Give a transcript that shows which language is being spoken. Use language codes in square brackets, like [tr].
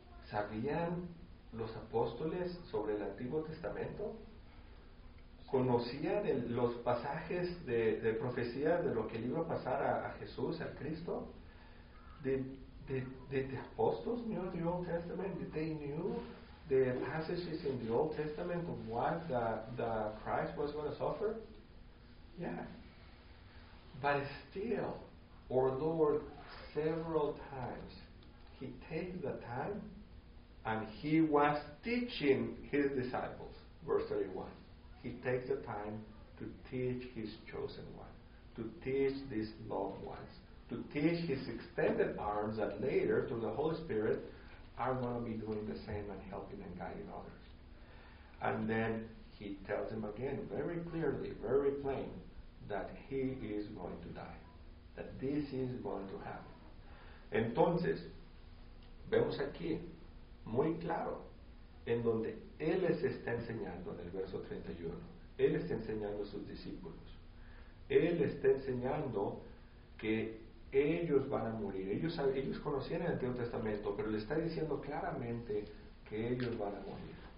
[es] ¿Sabían los apóstoles sobre el Antiguo Testamento? ¿Conocían los pasajes de profecía de lo que le iba a pasar a Jesús, al Cristo? [en] ¿De apóstoles knew the Old Testament? ¿Did they knew the passages in the Old Testament of what the Christ was going to suffer? Yeah. But still, our Lord, several times, he takes the time and he was teaching his disciples. Verse 31. He takes the time to teach his chosen one, to teach these loved ones, to teach his extended arms that later, through the Holy Spirit, are going to be doing the same and helping and guiding others. And then he tells them again, very clearly, very plain, that he is going to die, that this is going to happen. [es] Entonces, vemos aquí, muy claro, en donde él les está enseñando, en el verso 31, él les está enseñando a sus discípulos, él les está enseñando que ellos van a morir. Ellos conocían el Antiguo Testamento, pero le está diciendo claramente que ellos van a morir.